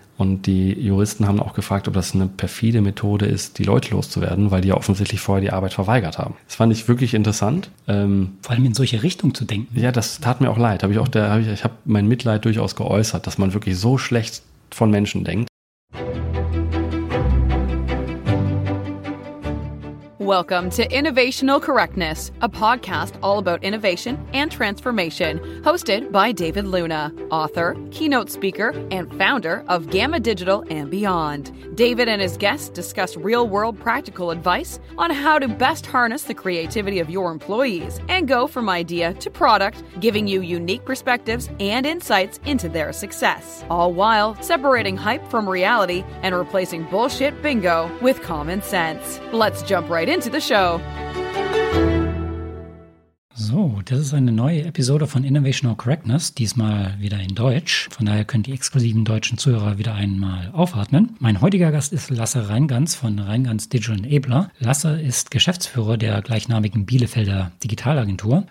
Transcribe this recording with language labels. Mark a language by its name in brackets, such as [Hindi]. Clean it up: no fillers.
[German] Und die Juristen haben auch gefragt, ob das eine perfide Methode ist, die Leute loszuwerden, weil die ja offensichtlich vorher die Arbeit verweigert haben. Das fand ich wirklich interessant. Vor allem in solche Richtung zu denken. Ja, das tat mir auch leid. Ich habe mein Mitleid durchaus geäußert, dass man wirklich so schlecht von Menschen denkt. [English] Welcome to Innovational Correctness, a podcast all about innovation and transformation, hosted by David Luna, author, keynote speaker, and founder of Gamma Digital and Beyond. David and his guests discuss real-world practical advice on how to best harness the creativity of your employees and go from idea to product, giving you unique perspectives and insights into their success, all while separating hype from reality and replacing bullshit bingo with common sense. Let's jump right into the show. [German] So, das ist eine neue Episode von Innovational Correctness, diesmal wieder in Deutsch. Von daher können die exklusiven deutschen Zuhörer wieder einmal aufatmen. Mein heutiger Gast ist Lasse Reingans von Reingans Digital Enabler. Lasse ist Geschäftsführer der gleichnamigen Bielefelder Digitalagentur.